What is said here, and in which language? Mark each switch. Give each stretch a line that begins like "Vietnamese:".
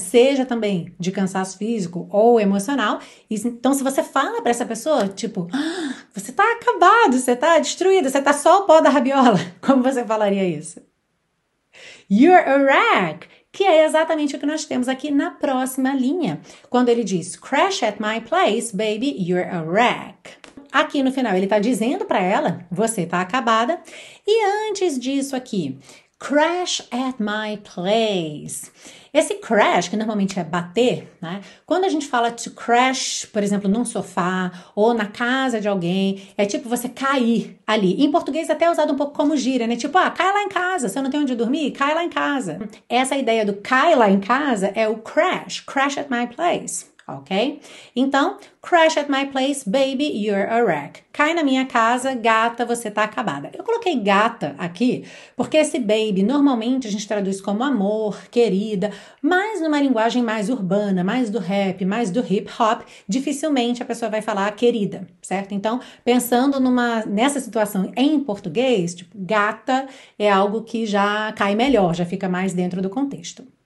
Portuguese: Seja também de cansaço físico ou emocional. Então se você fala para essa pessoa, tipo, ah, você tá acabado, você tá destruído, você tá só o pó da rabiola, como você falaria isso?
English: You're a wreck.
Portuguese: Que é exatamente o que nós temos aqui na próxima linha. Quando ele diz,
English: crash at my place, baby, you're a wreck.
Portuguese: Aqui no final, ele está dizendo para ela, você está acabada. E antes disso aqui,
English: crash at my place.
Portuguese: Esse crash, que normalmente é bater, né? Quando a gente fala to crash, por exemplo, num sofá ou na casa de alguém, é tipo você cair ali. Em português até é usado um pouco como gíria, né? Tipo, ah, cai lá em casa, se eu não tenho onde dormir, cai lá em casa. Essa ideia do cai lá em casa é o crash,
English: crash at my place,
Portuguese: ok? Então,
English: crash at my place, baby, you're a wreck.
Portuguese: Cai na minha casa, gata, você tá acabada. Eu coloquei gata aqui porque esse baby, normalmente a gente traduz como amor, querida, mas numa linguagem mais urbana, mais do rap, mais do hip hop, dificilmente a pessoa vai falar querida, certo? Então, pensando nessa situação em português, tipo, gata é algo que já cai melhor, já fica mais dentro do contexto.